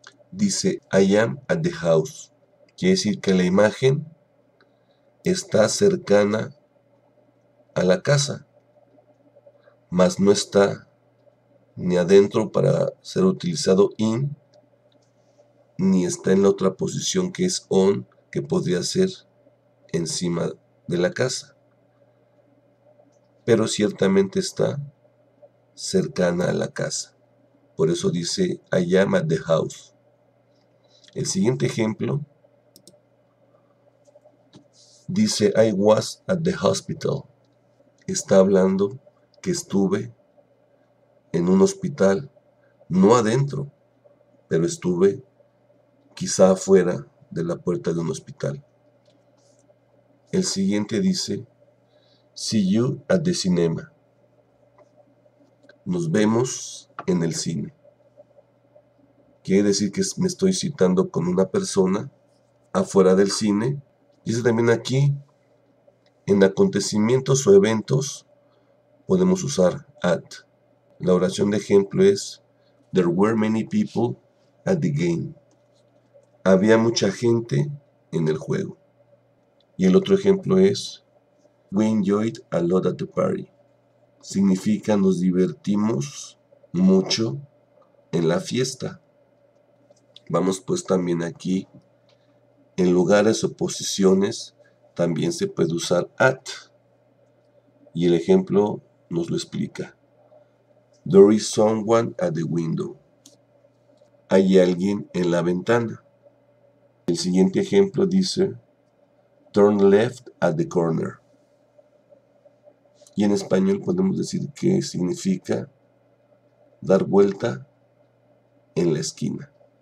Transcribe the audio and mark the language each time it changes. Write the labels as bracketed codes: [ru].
[es] Dice, [en] I am at the house. [es] Quiere decir que la imagen está cercana a la casa, mas no está ni adentro para ser utilizado in, ni está en la otra posición que es on, que podría ser encima de la casa. Pero ciertamente está cercana a la casa. Por eso dice, [en] I am at the house. [es] El siguiente ejemplo dice, [en] I was at the hospital. [es] Está hablando que estuve en un hospital, no adentro, pero estuve quizá afuera de la puerta de un hospital. El siguiente dice, [en] see you at the cinema. [es] Nos vemos en el cine. Quiere decir que me estoy citando con una persona afuera del cine. Dice también aquí, en acontecimientos o eventos podemos usar at. La oración de ejemplo es, [en] there were many people at the game. [es] Había mucha gente en el juego. Y el otro ejemplo es, [en] we enjoyed a lot at the party. [es] Significa nos divertimos mucho en la fiesta. Vamos pues también aquí, en lugares o posiciones también se puede usar at. Y el ejemplo nos lo explica. [en] There is someone at the window. [es] Hay alguien en la ventana. El siguiente ejemplo dice, [en] turn left at the corner. [es] Y en español podemos decir que significa dar vuelta en la esquina.